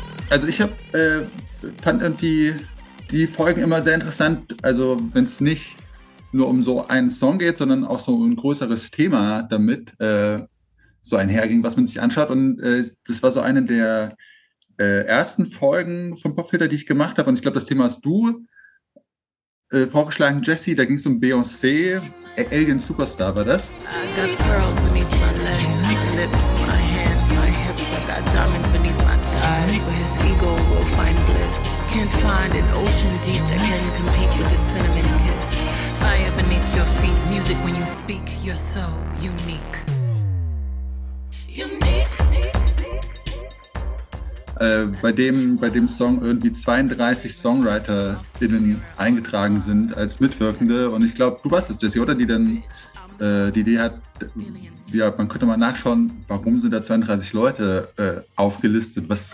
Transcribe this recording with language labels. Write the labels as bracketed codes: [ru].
[de] Also ich fand dann die Folgen immer sehr interessant, also wenn es nicht nur um so einen Song geht, sondern auch so ein größeres Thema damit so einherging, was man sich anschaut. Und das war so eine der ersten Folgen von Popfilter, die ich gemacht habe. Und ich glaube, das Thema hast du vorgeschlagen, Jesse. Da ging es um Beyoncé, Alien Superstar war das. [en] I got pearls beneath my legs, my lips, my hands, my hips, I got diamonds beneath my thighs, where his ego will find bliss. Can't find an ocean deep that can compete with a cinnamon kiss. Fire beneath your feet, music when you speak, you're so unique. [de] Bei dem Song irgendwie 32 SongwriterInnen eingetragen sind als Mitwirkende. Und ich glaube, du warst es, Jesse, oder? Die dann die Idee hat, ja, man könnte mal nachschauen, warum sind da 32 Leute aufgelistet?